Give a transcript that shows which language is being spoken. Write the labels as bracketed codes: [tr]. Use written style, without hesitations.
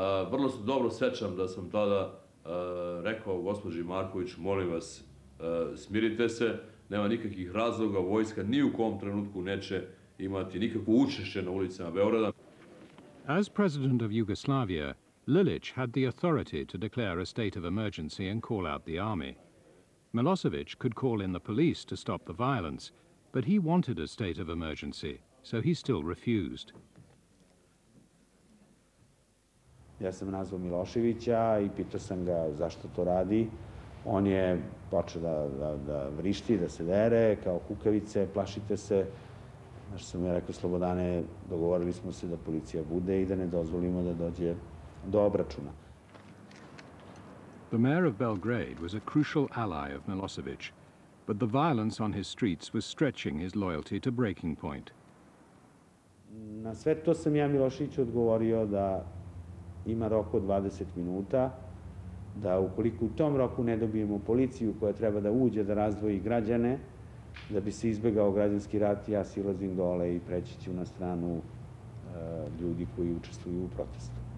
[sr] Vrlo se dobro sećam da sam tada rekao gospođi Marković: molim vas, smirite se, nema nikakvih razloga, vojska ni u kom trenutku neće imati nikakvo učešće na ulicama Beograda. [en] As president of Yugoslavia, Lilić had the authority to declare a state of emergency and call out the army. Milosevic could call in the police to stop the violence, but he wanted a state of emergency, so he still refused. [sr] Ja sam nazvao Miloševića i pitao sam ga zašto to radi. On je počeo da vrišti, da se dere kao kukavice, plašite se. Znaš, sam mi rekao: Slobodane, dogovorili smo se da policija bude i da ne dozvolimo da dođe do obračuna. [en] The mayor of Belgrade was a crucial ally of Milosevic, but the violence on his streets was stretching his loyalty to breaking point. [sr] Na sve to sam ja Milošević odgovorio da ima rok od 20 minuta, da ukoliko u tom roku ne dobijemo policiju koja treba da uđe da razdvoji građane, da bi se izbegao građanski rat, ja silazim dole i preći ću na stranu ljudi koji učestvuju u protestu.